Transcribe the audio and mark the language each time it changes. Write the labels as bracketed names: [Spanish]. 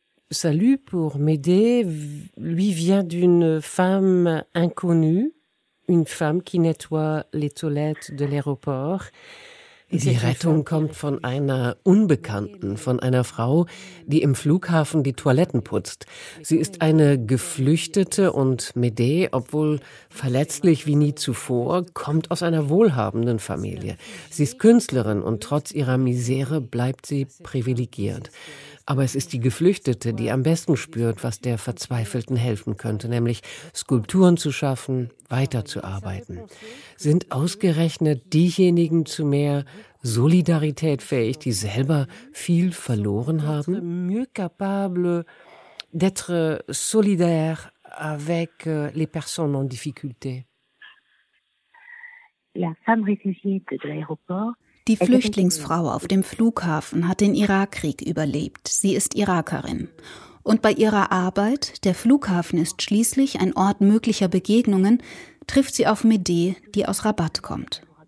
[French] Salut pour Médée, lui vient d'une femme inconnue, une femme qui nettoie les toilettes de l'aéroport. [German] Die Rettung kommt von einer Unbekannten, von einer Frau, die im Flughafen die Toiletten putzt. Sie ist eine Geflüchtete und Médée, obwohl verletzlich wie nie zuvor, kommt aus einer wohlhabenden Familie. Sie ist Künstlerin und trotz ihrer Misere bleibt sie privilegiert. Aber es ist die Geflüchtete, die am besten spürt, was der Verzweifelten helfen könnte, nämlich Skulpturen zu schaffen, weiterzuarbeiten. Sind ausgerechnet diejenigen zu mehr Solidarität fähig, die selber viel verloren haben? [French] Mieux capable d'être solidaire avec les personnes en difficulté. [German] Die Flüchtlingsfrau auf dem Flughafen hat den Irakkrieg überlebt. Sie ist Irakerin. Und bei ihrer Arbeit, der Flughafen ist schließlich ein Ort möglicher Begegnungen, trifft sie auf Médée, die aus Rabat kommt.